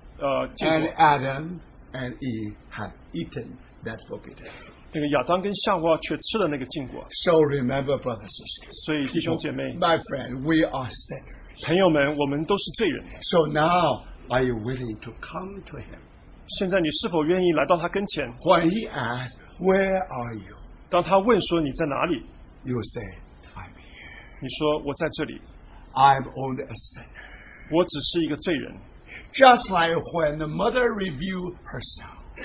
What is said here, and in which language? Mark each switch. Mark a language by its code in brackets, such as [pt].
[en] and Adam and Eve have eaten that forbidden fruit. [zh] 那个亚当跟夏娃却吃了那个禁果。 [en] So remember, brothers and sisters. [zh] 所以弟兄姐妹, [en] my friend, we are sinners. [zh] 朋友们, 我们都是罪人。 [en] So now, are you willing to come to him? [zh] 现在你是否愿意来到他跟前? [en] When he asks, where are you? [zh] 当他问说你在哪里? [en] You say, I'm here. [zh] 你说我在这里。 [en] I'm only a sinner. [zh] 我只是一个罪人。 [en] Just like when the mother revealed herself.